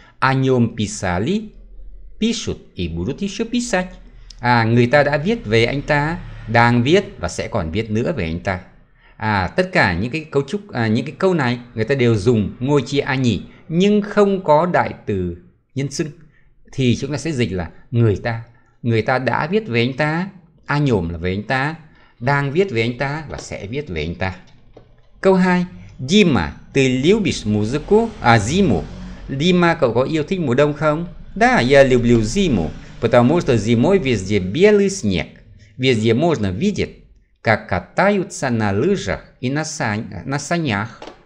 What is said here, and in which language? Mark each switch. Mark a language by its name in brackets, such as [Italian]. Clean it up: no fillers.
[Russian] О нем писали, пишут и будут еще писать. [Vietnamese] Người ta đã viết về anh ta, đang viết và sẽ còn viết nữa về anh ta. Tất cả những cái cấu trúc, những cái câu này người ta đều dùng ngôi chia они, nhưng không có đại từ nhân xưng thì chúng ta sẽ dịch là người ta. Người ta đã viết về anh ta, [Russian] о нем [Vietnamese] là về anh ta, đang viết về anh ta và sẽ viết về anh ta. Câu 2. [Russian] Дима, ты любишь музыку? Зиму. [Vietnamese] Дима, cậu có yêu thích mùa đông không? [Russian] Да, я люблю зиму, потому что зимой везде белый снег. Везде можно видеть, как катаются на лыжах и на санях.